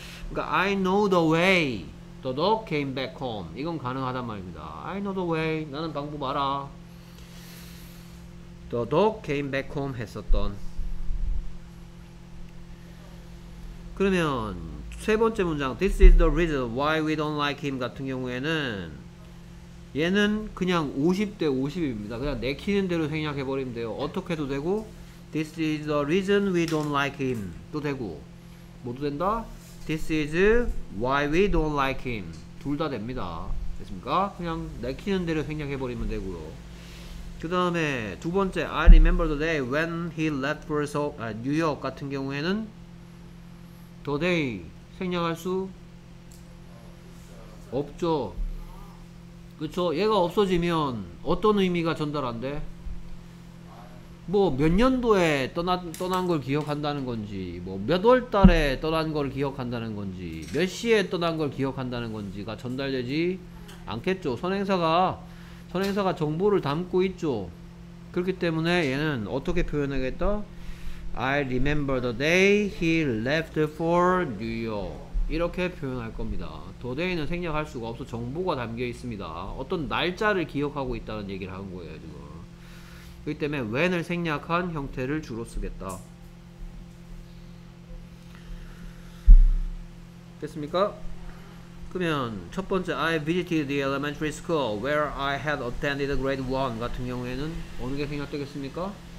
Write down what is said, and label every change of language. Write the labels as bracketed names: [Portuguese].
[English] 그러니까 I know the way the dog came back home. [Korean] 이건 가능하단 말입니다. [English] I know the way. [Korean] 나는 방법 알아. [English] the dog came back home [Korean] 했었던. 그러면 세 번째 문장 [English] This is the reason why we don't like him [Korean] 같은 경우에는 얘는 그냥 50대 50입니다. 그냥 내키는 대로 생략해버리면 돼요. 어떻게도 되고 [English] This is the reason we don't like him [Korean] 또 되고 모두 된다? [English] This is why we don't like him [Korean] 둘 다 됩니다. 됐습니까? 그냥 내키는 대로 생략해버리면 되고요. 그 다음에 두 번째 [English] I remember the day when he left for New York [Korean] 같은 경우에는 [English] The day [Korean] 생략할 수 없죠. 그쵸. 얘가 없어지면 어떤 의미가 전달 안 돼? 뭐 몇 년도에 떠난 걸 기억한다는 건지 뭐 몇 월 달에 떠난 걸 기억한다는 건지 몇 시에 떠난 걸 기억한다는 건지가 전달되지 않겠죠. 선행사가 정보를 담고 있죠. 그렇기 때문에 얘는 어떻게 표현하겠다? [English] I remember the day he left for New York. [Korean] 이렇게 표현할 겁니다. The day는 생략할 수가 없어. 정보가 담겨 있습니다. 어떤 날짜를 기억하고 있다는 얘기를 한 거예요, 지금. 그렇기 때문에 when을 생략한 형태를 주로 쓰겠다. 됐습니까? 그러면 첫 번째 [English] I visited the elementary school where I had attended grade 1 [Korean] 같은 경우에는 어느 게 생략되겠습니까?